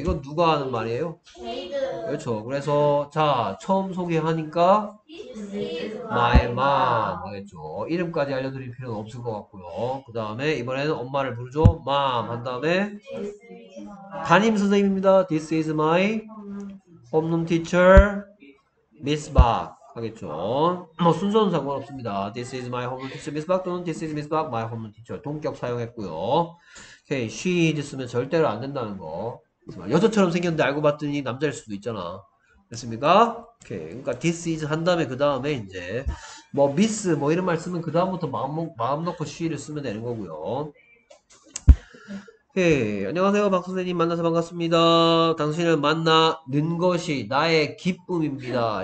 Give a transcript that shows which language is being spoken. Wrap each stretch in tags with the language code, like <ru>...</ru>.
<ko>이건 누가 하는 말이에요? 제이든. 그렇죠. 그래서 자 처음 소개하니까</ko> <en>마이</en> <ko>맘 하겠죠. 이름까지 알려드릴 필요는 없을 것 같고요. 그 다음에 이번에는 엄마를 부르죠. 맘 한 다음에 담임 선생님입니다.</ko> <en>This is my homeroom teacher Miss Bak</en> <ko>하겠죠. 뭐 순서는 상관없습니다.</ko> <en>This is my homeroom teacher Miss Bak</en> <ko>또는</ko> <en>This is Miss Bak my homeroom teacher</en> <ko>동격 사용했고요.</ko> <en>Okay. She is</en> <ko>쓰면 절대로 안 된다는 거. 여자처럼 생겼는데 알고 봤더니 남자일 수도 있잖아. 됐습니까? 오케이. 그러니까</ko> <en>this is</en> <ko>한 다음에 그 다음에 이제 뭐 miss 뭐 이런 말 쓰면 그 다음부터 마음 놓고 she를 쓰면 되는 거고요. 오케이. 안녕하세요 박 선생님 만나서 반갑습니다. 당신을 만나는 것이 나의 기쁨입니다.</ko>